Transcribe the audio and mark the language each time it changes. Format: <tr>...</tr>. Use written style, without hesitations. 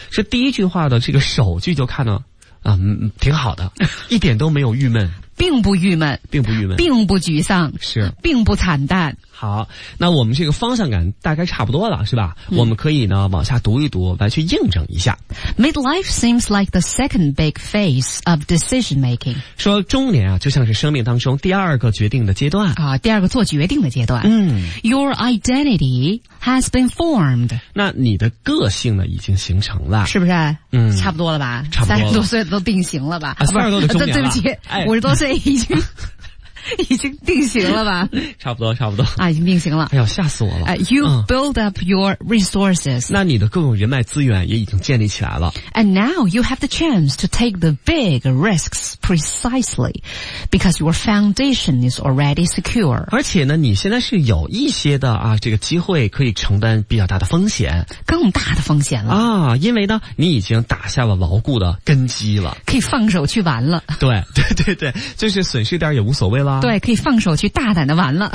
<zh>是第一句话的这个首句就看到挺好的，一点都没有郁闷，并不郁闷，并不郁闷，并不沮丧，是，并不惨淡。好，那我们这个方向感大概差不多了，是吧？嗯、我们可以呢往下读一读，来去印证一下。</zh> <en>Midlife seems like the second big phase of decision making。</en> <zh>说中年啊，就像是生命当中第二个决定的阶段啊，第二个做决定的阶段。嗯</zh> <en>，Your identity has been formed。</en> <zh>那你的个性呢，已经形成了，是不是？嗯，差不多了吧？差不多了，三十多岁都定型了吧？三十多岁中年了，对不起，五十多岁已经。已经定型了吧？差不多，差不多啊，已经定型了。哎呦，吓死我了！</zh> <en>You build up your resources。</en> <zh>那你的各种人脉资源也已经建立起来了。</zh> <en>And now you have the chance to take the big risks precisely because your foundation is already secure。</en> <zh>而且呢，你现在是有一些的啊，这个机会可以承担比较大的风险，更大的风险了啊！因为呢，你已经打下了牢固的根基了，可以放手去玩了。对，对，对，对，就是损失点也无所谓。对，可以放手去大胆的玩了。</zh>